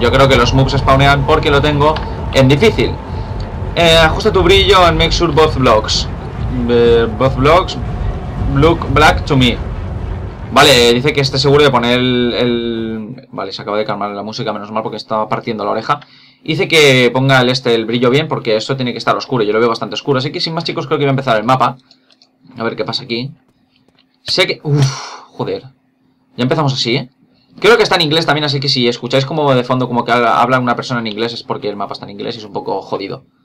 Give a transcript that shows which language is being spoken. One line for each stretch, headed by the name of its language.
Spanish: Yo creo que los mobs spawnean porque lo tengo en difícil. Ajusta tu brillo en
English: make sure both blocks. Both blocks look black to me.
Spanish: Vale, dice que esté seguro de poner el... Vale, se acaba de calmar la música, menos mal, porque estaba partiendo la oreja. Dice que ponga el brillo bien, porque esto tiene que estar oscuro. Yo lo veo bastante oscuro, así que sin más, chicos, creo que voy a empezar el mapa. A ver qué pasa aquí. Sé que... Uff, joder. Ya empezamos así, Creo que está en inglés también, así que si escucháis como de fondo como que habla una persona en inglés, es porque el mapa está en inglés y es un poco jodido.